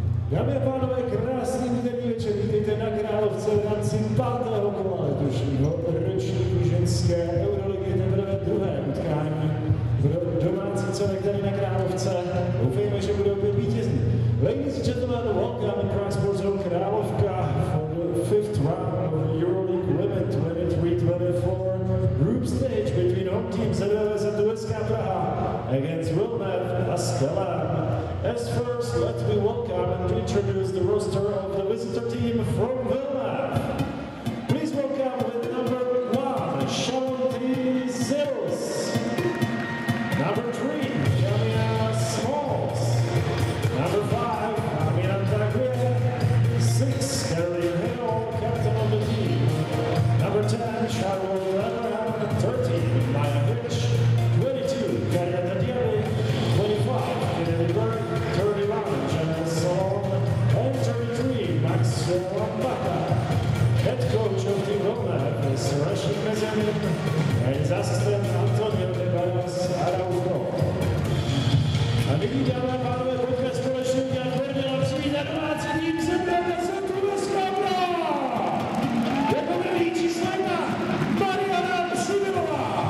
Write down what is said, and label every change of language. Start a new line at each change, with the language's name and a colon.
Czech: Dámy a pánové, krásný úterý večer, vítejte na Královce v rámci 5. kola letošního ročníku ženské EuroLeague, teprve druhé utkání v domácí celek tady na Královce. Doufejme, že budou být vítězní.
English: Ladies and gentlemen, welcome in Prime Sports Zone Královka for the 5th round of EuroLeague Women 23-24 group stage between home team ZVVZ USK Praha against Villeneuve As first, let me welcome and introduce the roster of the visitor team from Villeneuve. Please welcome with number 1, Shanti Zeros. Number 3, Jamia Smalls. Number 5, Amina Tagre. 6, Kelly Hill, captain of the team. Number 10, Sharon Leatherham. 13, Maya Hitch. 22, Kaya Tadiri. 25, Kennedy Burke. 31, Channel Saul, and 33, Max Lombata. Head coach of the Villeneuve is Rashid Mezamin, and his assistant Antonio de Barros Araujo.
Czech: Amigui, dámy a pánové, pojďme společně udělat první lepší na domácí tým ZVVZ USK Praha! Jako první číslo 1, Mariana Šimilová!